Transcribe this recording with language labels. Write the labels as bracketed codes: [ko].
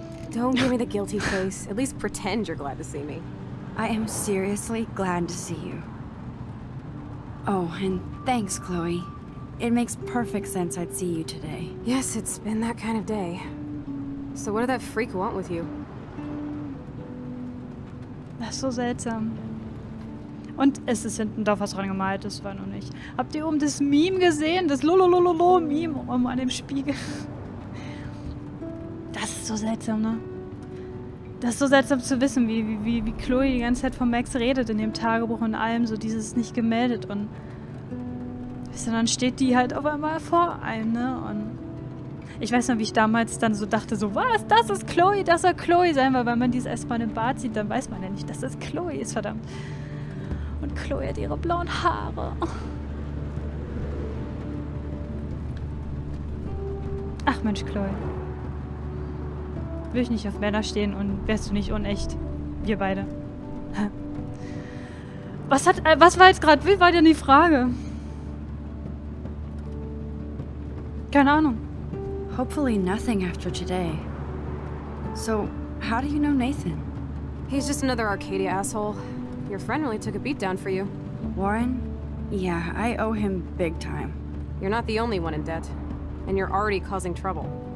[en] Don't give me the guilty face. At least pretend you're glad to see me. I am seriously glad to see you. Oh, and thanks, Chloe. It makes perfect sense I'd see you today. Yes, it's been that kind of day. So what did that freak want with you? [de] Das ist so seltsam. Und es ist hinten drauf was dran gemalt, das war noch nicht. Habt ihr oben das Meme gesehen? Das Lololololo-Meme an dem Spiegel. Das ist so seltsam, ne? Das ist so seltsam zu wissen, wie Chloe die ganze Zeit von Max redet in dem Tagebuch und allem, so dieses nicht gemeldet und... Wisst ihr, dann steht die halt auf einmal vor einem, ne? Und ich weiß noch, wie ich damals dann so dachte, so, was, das ist Chloe, das soll Chloe sein, weil wenn man dies erstmal im Bad sieht, dann weiß man ja nicht, dass das Chloe ist, verdammt. Und Chloe hat ihre blauen Haare. Ach Mensch, Chloe. Will ich nicht auf Männer stehen und wärst du nicht unecht, wir beide. Was war jetzt gerade, wie war denn die Frage? Keine Ahnung. [en] Hopefully nothing after today. So, how do you know Nathan? He's just another Arcadia asshole. Your friend really took a beat down for you. Warren? Yeah, I owe him big time. You're not the only one in debt. And you're already causing trouble.